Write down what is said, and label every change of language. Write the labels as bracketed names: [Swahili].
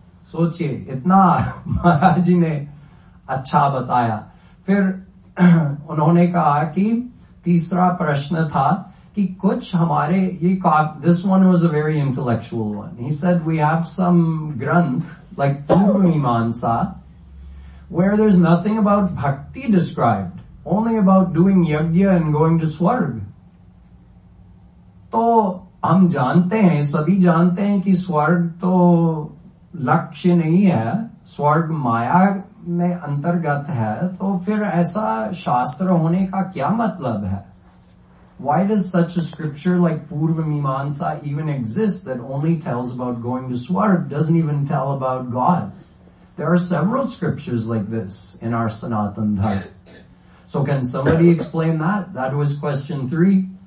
[Hindi] सोचिए इतना महाराज जी ने अच्छा बताया. फिर उन्होंने कहा कि तीसरा प्रश्न था कि कुछ हमारे ये [English] this one was a very intellectual one. He said we have some granth like Purvamimansa where there's nothing about bhakti described. Only about doing yajna and going to swarg. [Hindi] तो हम जानते हैं, सभी जानते हैं कि स्वर्ग तो लक्ष्य नहीं है, स्वर्ग माया में अंतर्गत है. तो फिर ऐसा शास्त्र होने का क्या मतलब है? [English] Why does such a scripture like Purva Mimansa even exist that only tells about going to swarg, doesn't even tell about God? There are several scriptures like this in our Sanatan Dharma. So can somebody explain that? That was question three.